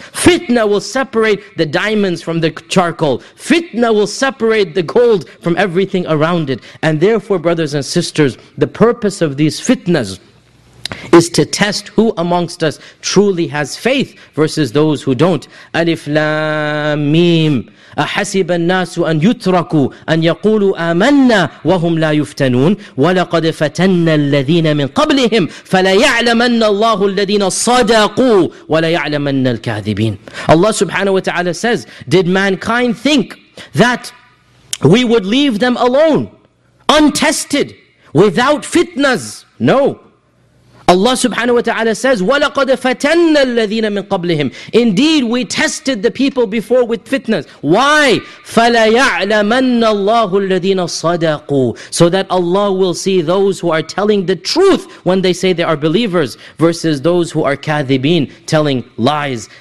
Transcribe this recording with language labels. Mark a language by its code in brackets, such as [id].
[en] Fitna will separate the diamonds from the charcoal. Fitna will separate the gold from everything around it. And therefore, brothers and sisters, the purpose of these fitnas is to test who amongst us truly has faith versus those who don't. [ar] Alif Lam Mim. أَحَسِبَ النَّاسُ أَنْ يُتْرَكُوا أَنْ يَقُولُوا آمَنَّا وَهُمْ لَا يُفْتَنُونَ وَلَقَدْ فَتَنَّ الَّذِينَ مِنْ قَبْلِهِمْ فَلَيَعْلَمَنَّ اللَّهُ الَّذِينَ صَدَقُوا وَلَيَعْلَمَنَّ الْكَاذِبِينَ [en] Allah subhanahu wa ta'ala says, did mankind think that we would leave them alone, untested, without fitnas? No. Allah subhanahu wa ta'ala says, [ar] وَلَقَدْ فَتَنَّ الَّذِينَ مِنْ قَبْلِهِمْ [en] Indeed, we tested the people before with fitness. Why? [ar] فَلَيَعْلَمَنَّ اللَّهُ الَّذِينَ صَدَقُوا [en] So that Allah will see those who are telling the truth when they say they are believers, versus those who are [ar] كَاذِبِينَ, [en] telling lies.